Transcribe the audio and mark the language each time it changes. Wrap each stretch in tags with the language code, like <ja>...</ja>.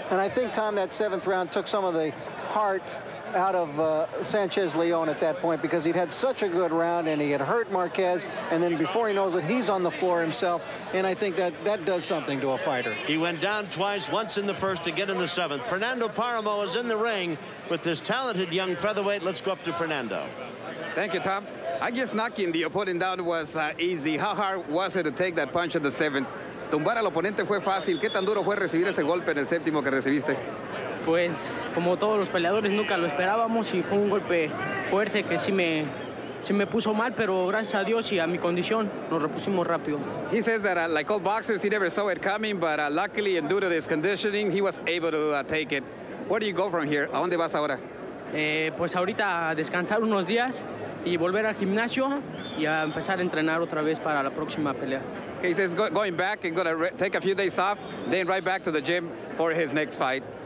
<en>And I think, Tom, that 7th round took some of the heart out of Sanchez Leon at that point, because he'd had such a good round and he had hurt Marquez, and then before he knows it, he's on the floor himself, and I think that that does something to a fighter. He went down twice, once in the first, again in the 7th. Fernando Paramo is in the ring with this talented young featherweight. Let's go up to Fernando. Thank you, Tom. I guess knocking the opponent down was easy. How hard was it to take that punch in the seventh?</en> <es>Tumbar al oponente fue fácil. ¿Qué tan duro fue recibir ese golpe en el séptimo que recibiste? Pues, como todos los peleadores, nunca lo esperábamos y fue un golpe fuerte que sí me puso mal, pero gracias a Dios y a mi condición, nos repusimos rápido.</es> <en>He says that, like all boxers, he never saw it coming, but luckily and due to this conditioning, he was able to take it. Where do you go from here?</en> <es>¿A dónde vas ahora? Pues ahorita a descansar unos días y volver al gimnasio y a empezar a entrenar otra vez para la próxima pelea.</es> <en>Okay, he says going back and going to take a few days off, then right back to the gym for his next fight.</en>